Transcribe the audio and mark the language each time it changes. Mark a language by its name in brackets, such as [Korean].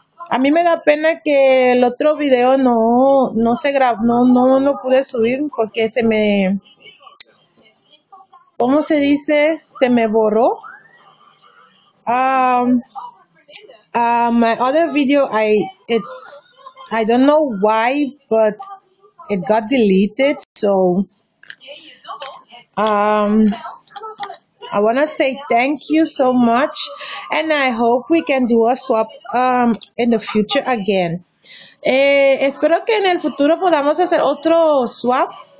[Spanish] A mí me da pena que el otro video no se grabó, no pude subir porque se me, ¿cómo se dice? Se me borró. [English] My other video, I don't know why, but it got deleted. So, I want to say thank you so much, and I hope we can do a swap in the future again. [Spanish] Espero que en el futuro podamos hacer otro swap.